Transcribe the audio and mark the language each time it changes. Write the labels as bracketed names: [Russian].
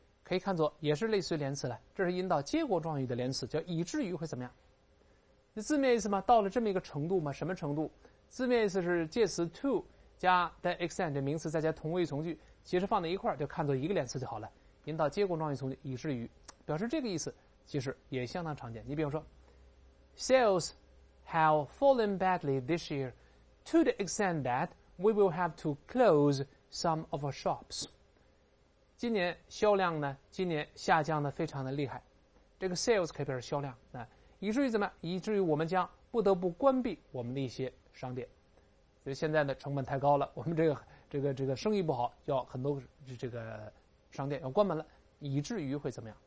[Chinese] 可以看作也是类似于连词了，这是引导结果状语的连词，叫以至于会怎么样？那字面意思嘛，到了这么一个程度嘛，什么程度？字面意思是介词 to 加 that extent 的名词再加同位从句，其实放在一块儿就看作一个连词就好了，引导结果状语从句以至于，表示这个意思，其实也相当常见。你比方说 [English] ，sales have fallen badly this year to the extent that we will have to close some of our shops。 [Chinese] 今年销量呢，今年下降的非常的厉害，这个 sales 可以表示销量，那以至于怎么样？以至于我们将不得不关闭我们的一些商店，所以现在呢成本太高了，我们这个生意不好，要很多这个商店要关门了，以至于会怎么样？